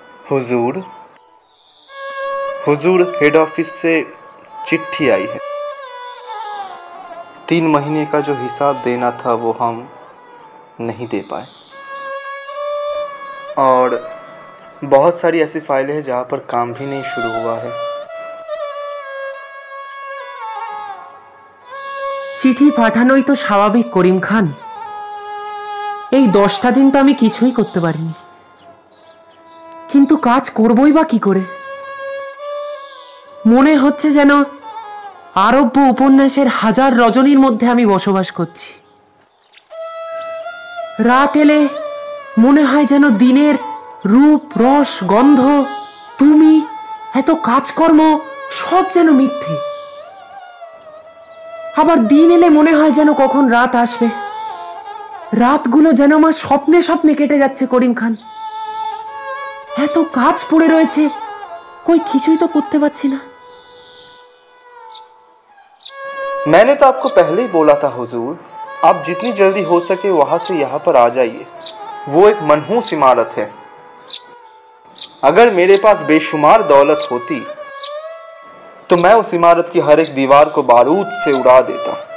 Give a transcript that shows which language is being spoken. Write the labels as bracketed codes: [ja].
[hi] हुजूर, हुजूर head office से चिट्ठी आई है। 3 महीने का जो हिसाब देना था वो हम नहीं दे पाए, और बहुत सारी ऐसी फाइलें हैं जहाँ पर काम भी नहीं शुरू हुआ है। [bn] चिट्ठी पाठानो ही तो स्वाभाविक करीम खान, এই 10টা দিন তো আমি কিছুই করতে পারিনি, কিন্তু কাজ করবই বা কি করে? মনে হচ্ছে যেন আরব্য উপন্যাসের হাজার রজনীর মধ্যে আমি বসবাস করছি। রাত এলে মনে হয় যেন দিনের রূপ রস গন্ধ তুমি এত কাজকর্ম সব যেন মিথ্যে। আবার দিন এলে মনে হয় যেন কখন রাত আসবে, রাতগুলো যেন আমার স্বপ্নে স্বপ্নে কেটে যাচ্ছে। করিম খান, এত কাজ পড়ে রয়েছে, কই কিছুই তো করতে পারছি না। [hi] मैंने तो आपको पहले ही बोला था हुजूर, आप जितनी जल्दी हो सके वहां से यहां पर आ जाइए। वो एक मनहूस इमारत है। अगर मेरे पास बेशुमार दौलत होती तो मैं उस इमारत की हर एक दीवार को बारूद से उड़ा देता।